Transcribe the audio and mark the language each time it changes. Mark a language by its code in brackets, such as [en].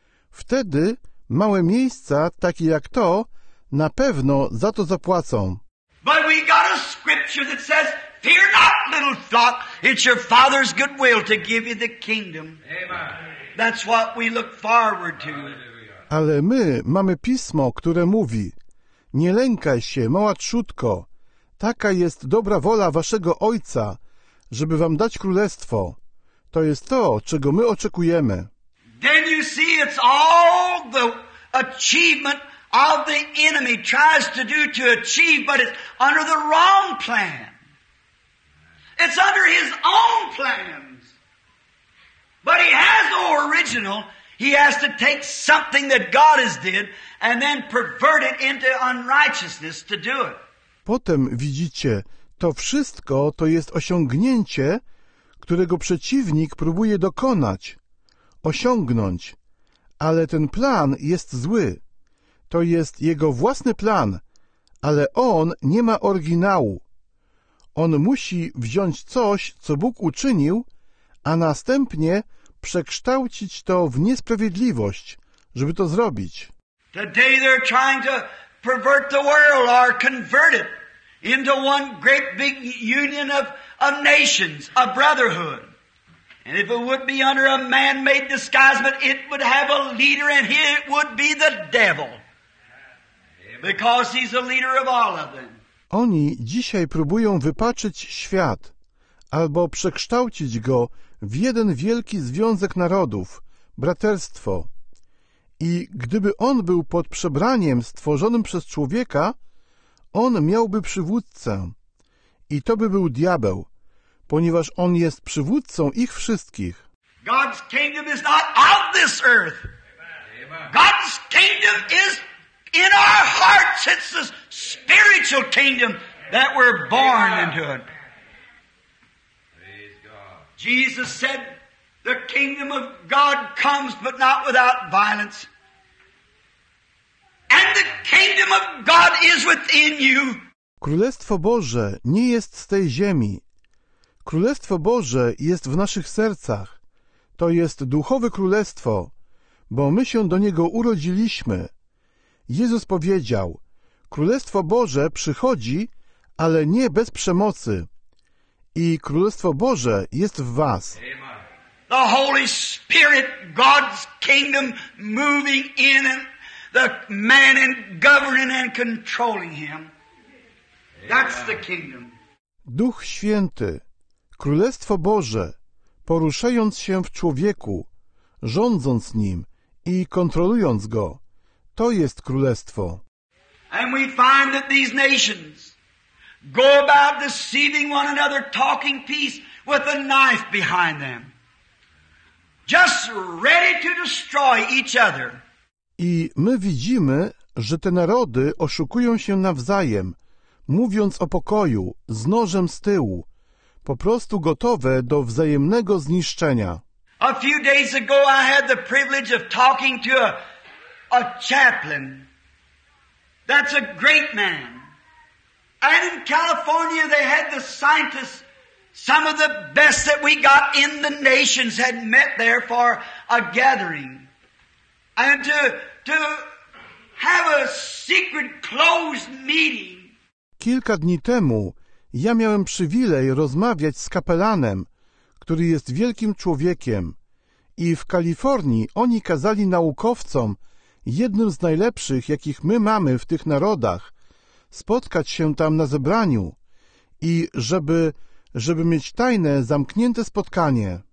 [pl] Wtedy małe miejsca, takie jak to, na pewno za to zapłacą. [en] But we got a scripture that says, fear not, little flock, it's your Father's good will to give you the kingdom. Amen. That's what we look forward to. [pl] Ale my mamy pismo, które mówi, nie lękaj się, mała trzutko, taka jest dobra wola waszego Ojca, żeby wam dać królestwo. To jest to, czego my oczekujemy. [en] Then you see it's all the achievement of the enemy tries to do to achieve, but it's under the wrong plan. It's under his own plans. But he has no original. He has to take something that God has did and then pervert it into unrighteousness to do it. [pl] Potem widzicie, to wszystko to jest osiągnięcie, którego przeciwnik próbuje dokonać, osiągnąć. Ale ten plan jest zły. To jest jego własny plan, ale on nie ma oryginału. On musi wziąć coś, co Bóg uczynił, a następnie przekształcić to w niesprawiedliwość, żeby to zrobić. [en] Today they're trying to pervert the world or convert it into one great big union of nations, a brotherhood. And if it would be under a man-made disguisement, it would have a leader, and he would be the devil. Because he's the leader of all of them. [pl] Oni dzisiaj próbują wypaczyć świat albo przekształcić go w jeden wielki związek narodów, braterstwo. I gdyby on był pod przebraniem stworzonym przez człowieka, on miałby przywódcę. I to by był diabeł, ponieważ on jest przywódcą ich wszystkich. [en] God's kingdom is not of this earth. God's kingdom is in our hearts. It's the spiritual kingdom that we're born into. Jesus said, the kingdom of God comes, but not without violence. And the kingdom of God is within you. [pl] Królestwo Boże nie jest z tej ziemi. Królestwo Boże jest w naszych sercach. To jest duchowe królestwo, bo my się do niego urodziliśmy. Jezus powiedział, Królestwo Boże przychodzi, ale nie bez przemocy. I Królestwo Boże jest w was. [en] The Holy Spirit, God's kingdom, moving in and the man and governing and controlling him. That's the kingdom. [pl] Duch Święty, Królestwo Boże, poruszając się w człowieku, rządząc nim i kontrolując go. To jest królestwo. [en] And we find that these nations go about deceiving one another, talking peace with a knife behind them. Just ready to destroy each other. [pl] I my widzimy, że te narody oszukują się nawzajem, mówiąc o pokoju, z nożem z tyłu, po prostu gotowe do wzajemnego zniszczenia. [en] A few days ago I had the privilege of talking to a chaplain. That's a great man. And in California they had the scientists Some of the best that we got in the nations had met there for a gathering. And to have a secret closed meeting. [pl] Kilka dni temu ja miałem przywilej rozmawiać z kapelanem, który jest wielkim człowiekiem. I w Kalifornii oni kazali naukowcom, jednym z najlepszych, jakich my mamy w tych narodach, spotkać się tam na zebraniu i żeby mieć tajne, zamknięte spotkanie.